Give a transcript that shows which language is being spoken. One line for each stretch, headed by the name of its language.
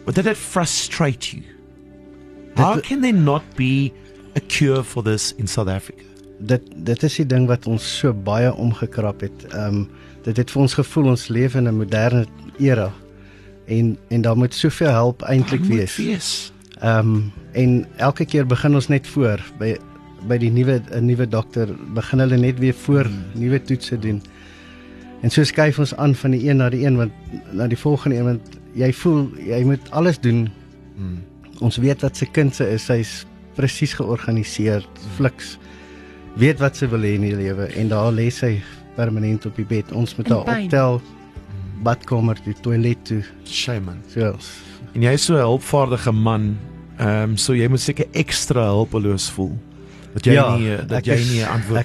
English: Or did that frustrate you? How can there not be a cure for this in South Africa?
Afrikaans: Dit is die ding wat ons so baie omgekrap het. Dit het vir ons gevoel ons leef in 'n moderne era. En daar moet soveel help eintlik wees. En elke keer begin ons net voor by die nuwe dokter begin hulle net weer voor nuwe toetse doen. En so skuif ons aan van die een na die een want na die volgende een want jy voel jy moet alles doen. Ons weet wat sy kind sy is, sy's precies georganiseerd, fliks, weet wat sy wil in die lewe, en daar lê sy permanent op die bed, ons moet haar optel, badkamer toe, toilet toe. Shame, man. So, en jy is so 'n hulpvaardige man, so jy moet seker ekstra hulpeloos voel, dat jy nie 'n antwoord